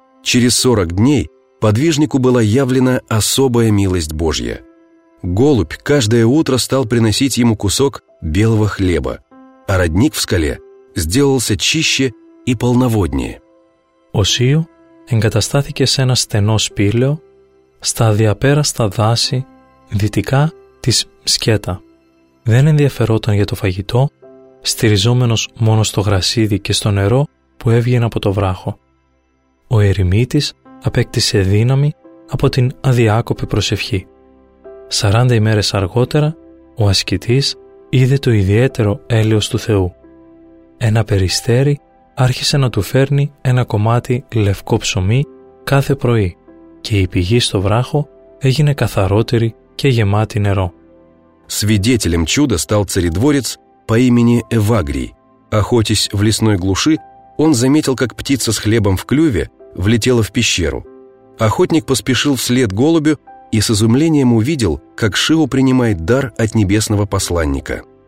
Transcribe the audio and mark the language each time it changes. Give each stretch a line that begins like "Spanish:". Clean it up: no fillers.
Russian: Через 40 дней подвижнику была явлена особая милость Божья. Голубь каждое утро стал приносить ему кусок белого хлеба, а родник в скале сделался чище и полноводнее.
Greek: Осию εγκαταστάθηκε σε ένα στενό σπήλαιο στα αδιαπέραστα δάση δυτικά της Μσκέτα. Δεν ενδιαφερόταν για το φαγητό, στηριζόμενος μόνο στο γρασίδι και στο νερό που έβγαινε από το βράχο. Ο ερημίτης απέκτησε δύναμη από την αδιάκοπη προσευχή. 40 ημέρες αργότερα, ο ασκητής είδε το ιδιαίτερο έλεος του Θεού. Ένα περιστέρι άρχισε να του φέρνει ένα κομμάτι λευκό ψωμί κάθε πρωί και η πηγή στο βράχο έγινε καθαρότερη και γεμάτη νερό.
Russian: Свидетелем чуда стал царедворец по имени Эвагрий. Охотясь в лесной глуши, он заметил, как птица с хлебом в клюве влетела в пещеру. Охотник поспешил вслед голубю и с изумлением увидел, как Шио принимает дар от небесного посланника.